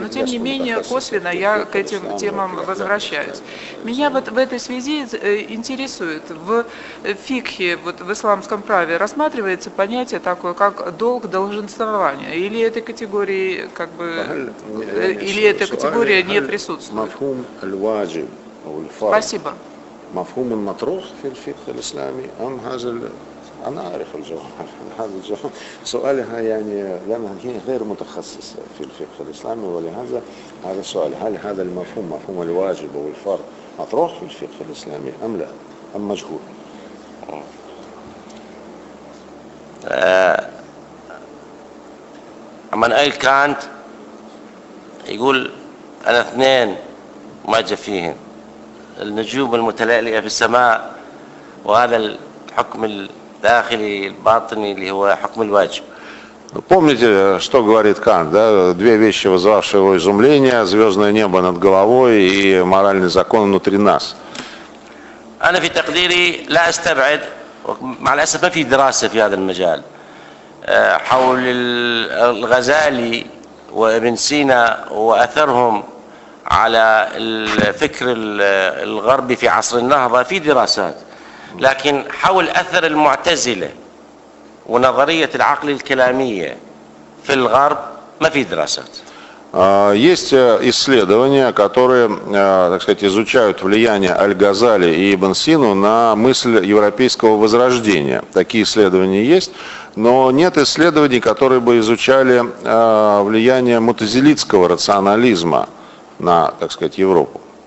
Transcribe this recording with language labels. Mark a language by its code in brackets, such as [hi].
[ru] Но, тем не менее, косвенно я к этим темам возвращаюсь. Меня вот в этой связи интересует, в фикхе, вот в исламском праве, рассматривается понятие такое, как долг долженствования, или этой категории, как бы, или эта категория не присутствует? [ar] الواجب او الفرض [ru] спасибо [ar] مفهوم المطروح في الفقه الاسلامي ام هذا انا اعرف الجواب هذا الجواب سؤالها يعني لما هي غير متخصصه في الفقه الاسلامي ولهذا هذا السؤال هل هذا المفهوم مفهوم الواجب او الفرض مطروح في الفقه الاسلامي ام لا ام مجهول امانويل كانت يقول انا اثنين ما جاء فيهم النجوم المتلألئة في السماء وهذا الحكم الداخلي الباطني اللي هو حكم الواجب. [ru] Помните, что говорит Кант, да? Две вещи, вызвавшие его изумление: звездное небо над головой и моральный закон внутри нас. [ar] أنا في تقديري لا أستبعد مع الأسف ما في دراسة في هذا المجال حول الغزالي وابن سينا وأثرهم على الفكر الغربي في عصر النهضة في دراسات لكن حول أثر المعتزلة ونظرية العقل الكلامية في الغرب ما في دراسات [ru] Есть исследования, которые, так сказать, изучают влияние Аль-Газали и Ибн Сину на мысль европейского возрождения. Такие исследования есть, но нет исследований, которые бы изучали влияние мутазилитского рационализма на, так сказать, Европу.